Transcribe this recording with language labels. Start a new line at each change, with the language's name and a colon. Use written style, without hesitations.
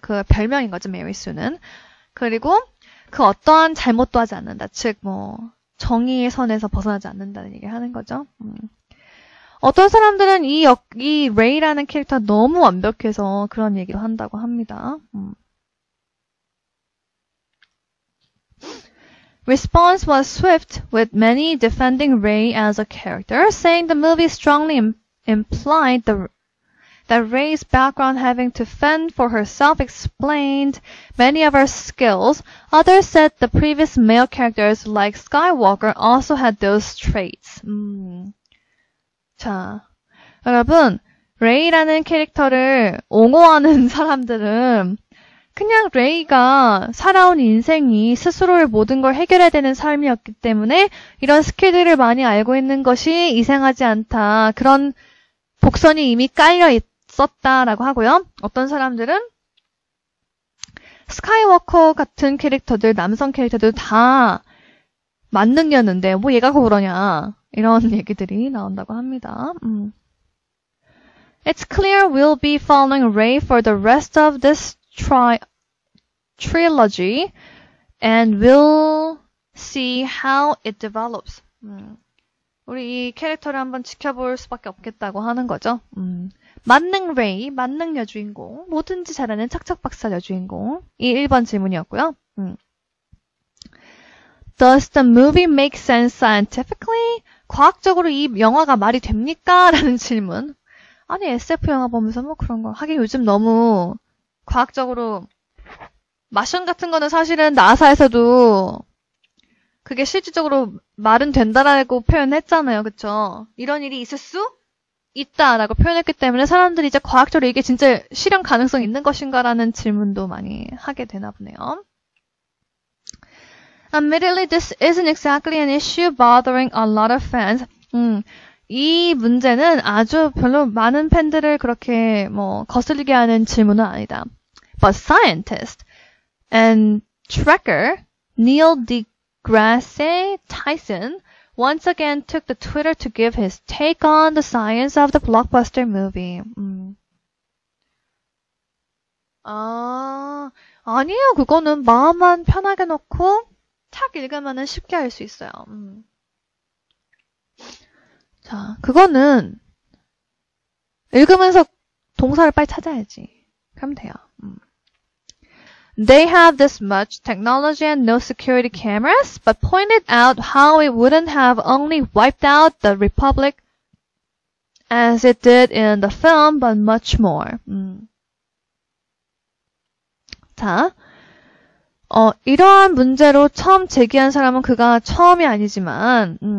Korean: 그 별명인 거죠, 메리 수는. 그리고 그 어떠한 잘못도 하지 않는다. 즉, 뭐 정의의 선에서 벗어나지 않는다는 얘기를 하는 거죠. 어떤 사람들은 이 레이라는 캐릭터 너무 완벽해서 그런 얘기를 한다고 합니다.
English: Response was swift, with many defending Rey as a character, saying the movie strongly implied that Rey's background having to fend for herself explained many of her skills. Others said the previous male characters like Skywalker also had those traits.
Korean: 자, 여러분, Rey라는 캐릭터를 옹호하는 사람들은 그냥 Rey가 살아온 인생이 스스로의 모든 걸 해결해야 되는 삶이었기 때문에 이런 스킬들을 많이 알고 있는 것이 이상하지 않다. 그런 복선이 이미 깔려있다. 썼다라고 하고요. 어떤 사람들은 스카이워커 같은 캐릭터들, 남성 캐릭터들 다 만능이었는데 뭐 얘가 그러냐 이런 얘기들이 나온다고 합니다.
English: It's clear we'll be following Rey for the rest of this trilogy and we'll see how it develops.
Korean: 우리 이 캐릭터를 한번 지켜볼 수밖에 없겠다고 하는 거죠. 만능 레이, 만능 여주인공, 뭐든지 잘하는 착착박사 여주인공. 이 1번 질문이었고요.
English: Does the movie make sense scientifically?
Korean: 과학적으로 이 영화가 말이 됩니까? 라는 질문. 아니, SF 영화 보면서 뭐 그런 거. 하긴 요즘 너무 과학적으로 마션 같은 거는 사실은 나사에서도 그게 실질적으로 말은 된다라고 표현했잖아요. 그쵸? 이런 일이 있을 수 있다라고 표현했기 때문에 사람들이 이제 과학적으로 이게 진짜 실현 가능성 있는 것인가 라는 질문도 많이 하게 되나 보네요.
English: Admittedly, this isn't exactly an issue bothering a lot of fans.
Korean: 이 문제는 아주 별로 많은 팬들을 그렇게 뭐 거슬리게 하는 질문은 아니다.
English: But scientist and tracker Neil deGrasse Tyson once again took to Twitter to give his take on the science of the blockbuster movie.
Korean: 아니에요. 그거는 마음만 편하게 놓고 착 읽으면은 쉽게 알 수 있어요. 자, 그거는 읽으면서 동사를 빨리 찾아야지. 그럼 돼요.
English: They have this much technology and no security cameras, but pointed out how it wouldn't have only wiped out the Republic as it did in the film, but much more.
Korean: 자, 이러한 문제로 처음 제기한 사람은 그가 처음이 아니지만,